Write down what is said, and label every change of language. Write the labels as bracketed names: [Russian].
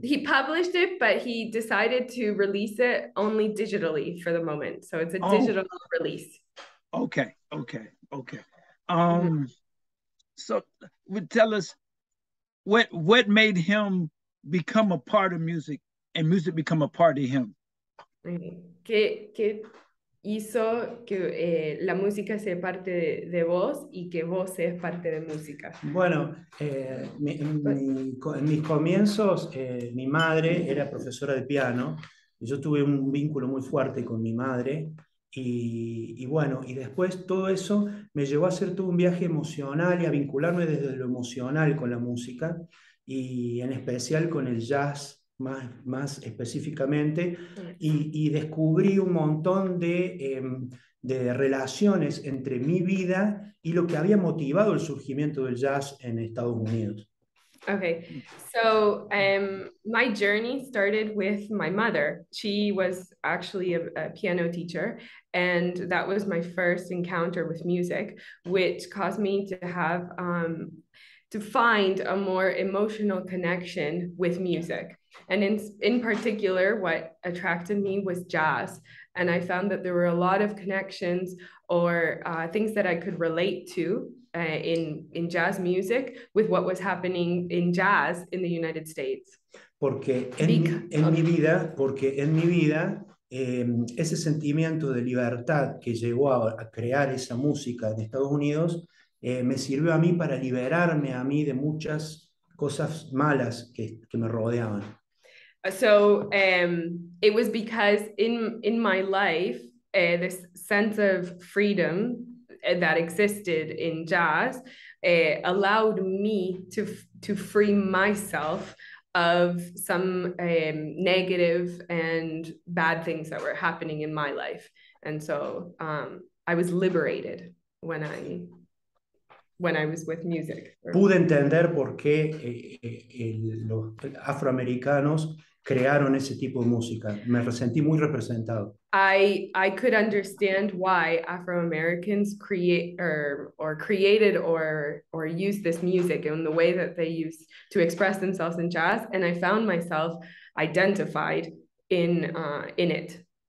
[English] He published it, but he decided to release it only digitally for the moment. So it's a digital release. Okay. So would tell us what made him become a part of music and music become a part of him. [Spanish] ¿Qué hizo que la música sea parte de vos y que vos seas parte de música? Bueno, en mis comienzos, mi madre era profesora de piano. Yo tuve un vínculo muy fuerte con mi madre. Y bueno, y después todo eso me llevó a hacer todo un viaje emocional y a vincularme desde lo emocional con la música y en especial con el jazz más específicamente y descubrí un montón de relaciones entre mi vida y lo que había motivado el surgimiento del jazz en Estados Unidos. [English] Okay, so my journey started with my mother. She was actually a piano teacher, and that was my first encounter with music, which caused me to have to find a more emotional connection with music. And in particular, what attracted me was jazz. And I found that there were a lot of connections or things that I could relate to in jazz music with what was happening in jazz in the United States. [Spanish] Porque en mi vida, ese sentimiento de libertad que llevó a crear esa música en Estados Unidos me sirvió a mí para liberarme a mí de muchas cosas malas que me rodeaban. [English] So it was because in my life, this sense of freedom that existed in jazz allowed me to free myself of some negative and bad things that were happening in my life. And so I was liberated when I was with music. [Spanish] Pude entender por qué los afroamericanos crearon ese tipo de música. Me sentí muy representado. [English] I could understand why Afro-Americans created or used this music in the way that they used to express themselves in jazz, and I found myself identified in it.